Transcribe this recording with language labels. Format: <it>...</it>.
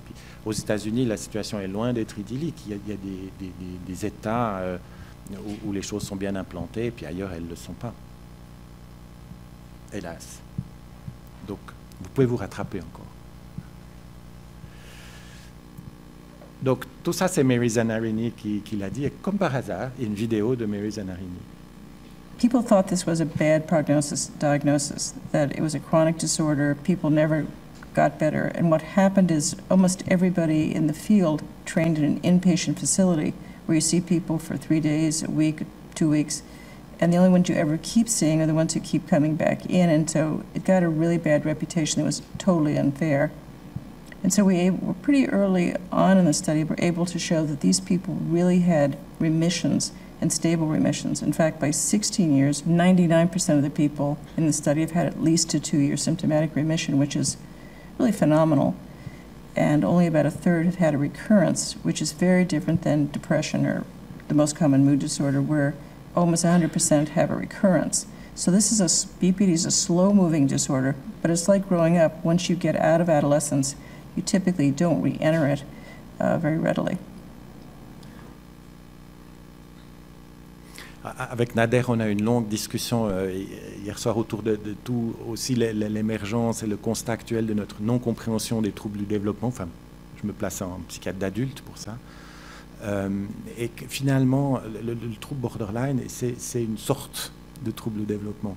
<fr>Puis, aux États-Unis, la situation est loin d'être idyllique. Il y a des États où les choses sont bien implantées, et puis ailleurs, elles ne le sont pas. Hélas. Donc, vous pouvez vous rattraper encore. Donc, tout ça, c'est Mary Zanarini qui l'a dit, et comme par hasard, une vidéo de Mary Zanarini.</fr> <en>People thought this was a bad prognosis, diagnosis, that it was a chronic disorder, people never... got better, and what happened is almost everybody in the field trained in an inpatient facility where you see people for 3 days, a week, 2 weeks, and the only ones you ever keep seeing are the ones who keep coming back in, and so it got a really bad reputation that was totally unfair. And so we were pretty early on in the study were able to show that these people really had remissions and stable remissions. In fact, by 16 years, 99% of the people in the study have had at least a 2-year symptomatic remission, which is really phenomenal, and only about a third have had a recurrence, which is very different than depression or the most common mood disorder, where almost 100% have a recurrence. So this is BPD is a slow-moving disorder, but it's like growing up. Once you get out of adolescence, you typically don't re-enter it very readily.</en> <fr>Avec Nader, on a eu une longue discussion hier soir autour de tout, aussi l'émergence et le constat actuel de notre non-compréhension des troubles du développement. Enfin, je me place en psychiatre d'adulte pour ça. Et que finalement, le trouble borderline, c'est une sorte de trouble du développement.</fr>